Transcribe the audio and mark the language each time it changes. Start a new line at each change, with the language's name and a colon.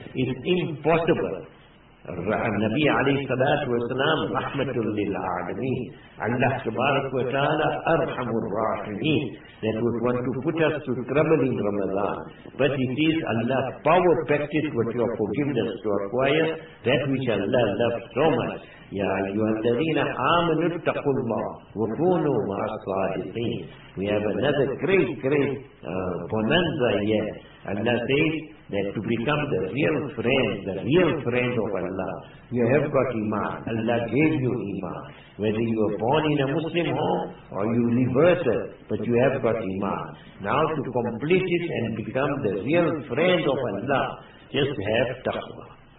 English: It's impossible. Nabi alayhi salatu wasalam, rahmatul lil alameen. Allah subhanahu wa ta'ala, arhamur rahimeen. That would want to put us to trouble in Ramadan. But it is Allah power packed it with your forgiveness to acquire that which Allah loves so much.
Arabic: يَا أَيُّهَا الَّذِينَ آمَنُوا اتَّقُوا اللَّهِ وَكُونُوا مَعَ الصَّادِقِينَ.
English: We have another great, great bonanza here. Allah says that to become the real friend of Allah, you have got iman. Allah gave you iman. Whether you were born in a Muslim home or you reverted, but you have got iman. Now to complete it and become the real friend of Allah, just have taqwa.